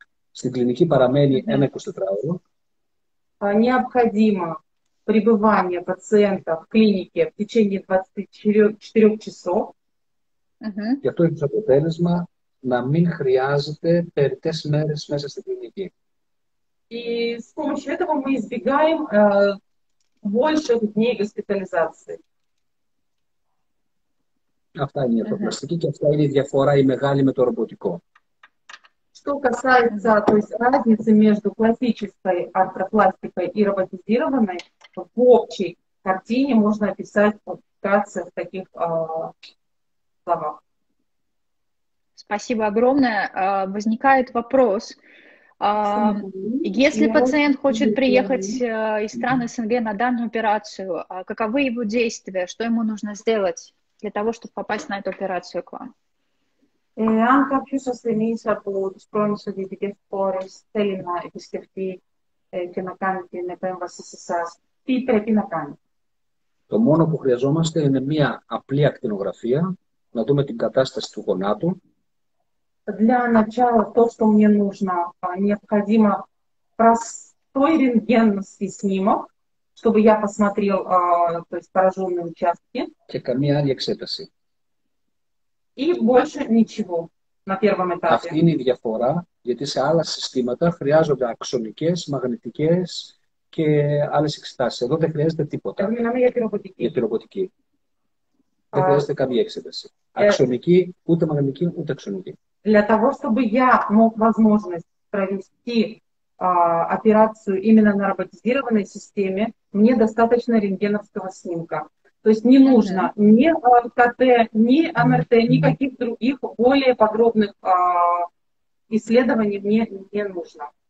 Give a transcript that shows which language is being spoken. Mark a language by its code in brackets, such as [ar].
[el] Στην κλινική παραμένει ένα 24 ώρο. [ru] необходимо пребывание пациента в клинике в течение 24 часов. [el] Για το ίδιο αποτέλεσμα να μην χρειάζεται περί τέσσερις μέρες μέσα στην κλινική. [ru] И с помощью этого мы избегаем больше дней госпитализации. [el] Αυτά είναι η αρθροπλαστική και αυτά είναι η διαφορά η μεγάλη με το ρομποτικό. [ru] Что касается то есть разницы между классической артропластикой и роботизированной, в общей картине можно описать вкратце в таких словах. Спасибо огромное. Возникает вопрос. Если пациент хочет приехать из стран СНГ на данную операцию, каковы его действия, что ему нужно сделать для того, чтобы попасть на эту операцию к вам? [el] Εάν κάποιος ασθενής από τις πρώην σοβιετικές χώρες θέλει να επισκεφτεί και να κάνει την επέμβαση σε εσάς, τι πρέπει να κάνει? Το μόνο που χρειαζόμαστε είναι μία απλή ακτινογραφία, να δούμε την κατάσταση του γονάτου. [ru] Для начала то, что мне нужно, необходимо простой рентгеновский снимок, чтобы я посмотрел то есть пораженные участки. [el] Και καμία άλλη εξέταση. [ru] И больше ничего на первом этапе. [el] Αυτή είναι η διαφορά, γιατί σε άλλα συστήματα χρειάζονται αξονικές, μαγνητικές και άλλες εξετάσεις. Εδώ δεν χρειάζεται τίποτα. Εδώ μιλάμε για τη ρομποτική. Για τη ρομποτική. Δεν χρειάζεται καμία εξέταση. Αξονική, ούτε μαγνητική, ούτε αξονική. [ru] Для того, чтобы я мог возможность провести операцию именно на роботизированной системе, мне достаточно рентгеновского снимка. То есть не нужно ни КТ, ни МРТ, никаких других более подробных исследований мне не нужно.